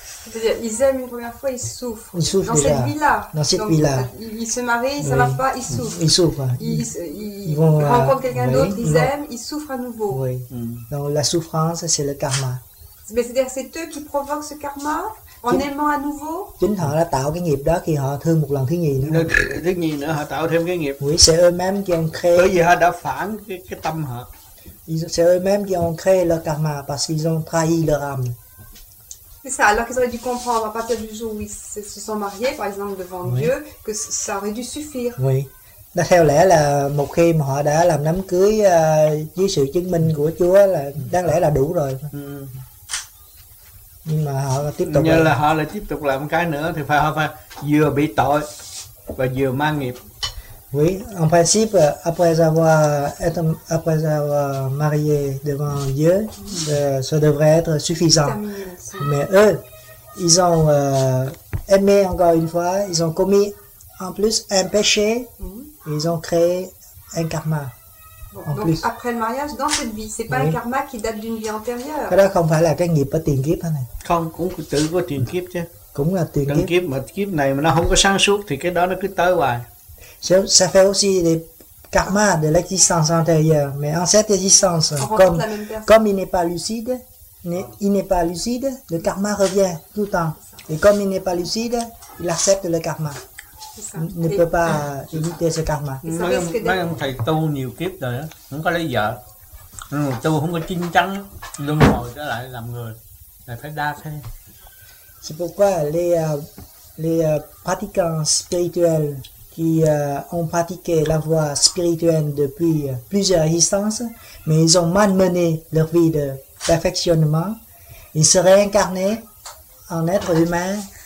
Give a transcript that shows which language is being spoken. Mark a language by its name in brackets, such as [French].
[French] C'est-à-dire, ils aiment une première fois, ils souffrent. Ils souffrent dans déjà. Cette vie-là. Dans cette vie-là. Ils se marient, ça ne marche pas, ils souffrent. Ils souffrent. Ils vont, rencontrent quelqu'un d'autre, ils aiment, ils souffrent à nouveau. Oui. Donc la souffrance, c'est le karma. Mais c'est-à-dire, c'est eux qui provoquent ce karma? En aimant à nouveau. [Vietnamese] Chính họ đã tạo cái nghiệp đó khi họ thương một lần thứ nhì nữa. Thứ nhì nữa họ tạo thêm cái nghiệp. [French] Oui, c'est eux-mêmes qui ont créé. [Vietnamese] Bởi vì họ đã phản cái tâm họ. [French] C'est eux-mêmes qui ont créé leur karma parce qu'ils ont trahi leur âme. C'est ça, alors qu'ils auraient dû comprendre à partir du jour où ils se sont mariés, par exemple devant Dieu, que ça aurait dû suffire. Oui. [Vietnamese] Đó theo lẽ là một khi mà họ đã làm đám cưới dưới sự chứng minh của Chúa là đáng lẽ là đủ rồi. Nhưng mà họ tiếp tục như là họ lại tiếp tục làm cái nữa thì phải họ phải vừa bị tội và vừa mang nghiệp. [French] Oui, en principe, après avoir marié devant Dieu, ça devrait être suffisant. Mais eux, ils ont aimé encore une fois, ils ont commis en plus un péché, et ils ont créé un karma. Bon, donc plus. Après le mariage, dans cette vie, c'est pas un karma qui date d'une vie antérieure. [Vietnamese] Cái đó không phải là cái nghiệp ở tiền kiếp hả này. Không, cũng tự có tiền kiếp chứ. Cũng là tiền kiếp. Kiếp mà kiếp này mà nó không có sáng suốt thì cái đó nó cứ tới hoài. [French] Ça fait aussi des karmas de l'existence antérieure, mais en cette existence, comme il n'est pas lucide, le karma revient tout le temps. Et comme il n'est pas lucide, il accepte le karma. Ne peut pas éviter ce karma. [Vietnamese] Mấy ông thầy tu nhiều kiếp rồi á, không có lấy vợ. Nhưng mà tu không có chín chắn, luôn hồi trở lại làm người, lại phải đa thế. [French] C'est pourquoi les pratiquants spirituels qui ont pratiqué la voie spirituelle depuis plusieurs existences, mais ils ont malmené leur vie de perfectionnement, ils se réincarnaient en être humain.